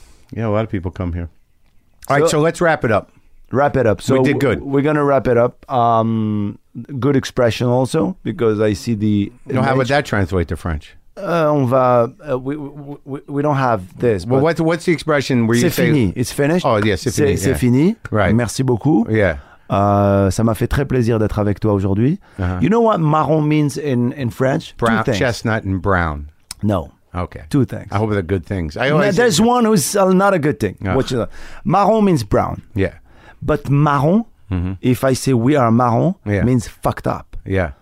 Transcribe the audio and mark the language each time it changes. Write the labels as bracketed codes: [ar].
[en] Yeah, a lot of people come here. All right, so let's wrap it up. Wrap it up. So we did good. We're going to wrap it up. Good expression also, because I see the... No, how would that translate to French? We don't have this. Well, what's the expression where [fr] c'est [en] you [fr] fini. [en] Say... [fr] C'est fini. [en] It's finished. Oh, yeah, [fr] c'est fini. C'est fini. [en] Right. [fr] Merci beaucoup. [en] Yeah. [fr] Ça m'a fait très plaisir d'être avec toi aujourd'hui. Uh-huh. [en] You know what marron means in French? Brown, chestnut and brown. No. Okay. Two things. I hope they're good things. There's one who's not a good thing. Which is, marron means brown. Yeah. But marron, if I say we are marron, means fucked up. Yeah.